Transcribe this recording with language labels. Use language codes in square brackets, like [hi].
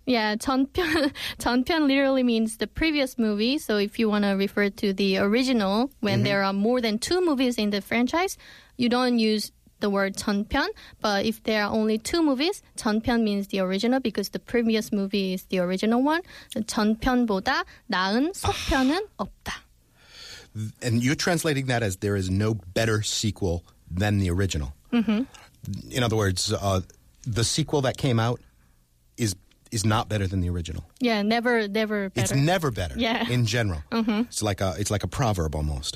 [en] Yeah, 전편 literally means the previous movie. So if you want to refer to the original, when there are more than two movies in the franchise, you don't use the word 전편. But if there are only two movies, 전편 means the original because the previous movie is the original one. [ko] 전편보다 나은 속편은 없다. [en] And you're translating that as there is no better sequel than the original. Mm-hmm. In other words, the sequel that came out is not better than the original. Yeah, never better. It's never better. Yeah. In general. Mm-hmm. It's like a proverb almost.